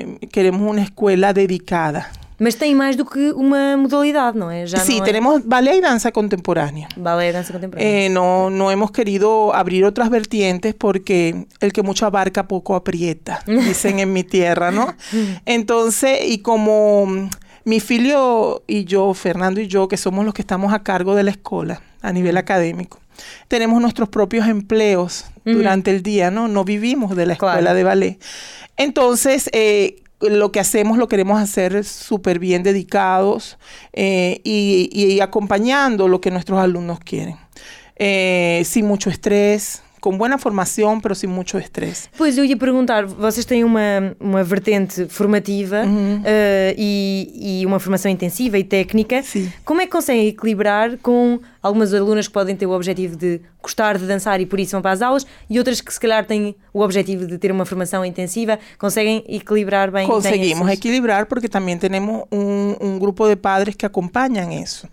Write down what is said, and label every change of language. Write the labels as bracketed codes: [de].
[es] Queremos una escuela dedicada. [pt] Mas tem mais do que uma modalidade, não é? Já sim, temos balé e dança contemporânea. Balé e dança contemporânea. Não [es] hemos querido abrir outras vertientes porque el que mucho abarca [pt] pouco [es] aprieta, [pt] dizem em [es] mi tierra, não? [pt] Então, e como [es] mi filho e eu, Fernando e eu, que somos los que estamos a cargo de la escola a nivel académico, tenemos nuestros propios empleos durante el día, não? No vivimos de la escuela de balé. Então, lo que hacemos lo queremos hacer súper bien dedicados y acompañando lo que nuestros alumnos quieren. Sin mucho estrés, con buena formación, pero sin mucho estrés. Pues yo iba a preguntar, ¿vocês tienen una vertente formativa y una formación intensiva y técnica? Sí. ¿Cómo es que conseguen equilibrar con algunas alumnas que pueden tener el objetivo de [pt] gostar de dançar e por isso vão para as aulas, e outras que se calhar têm o objetivo de ter uma formação intensiva, conseguem equilibrar bem? Conseguimos equilibrar porque também temos um grupo de padres que acompanham isso.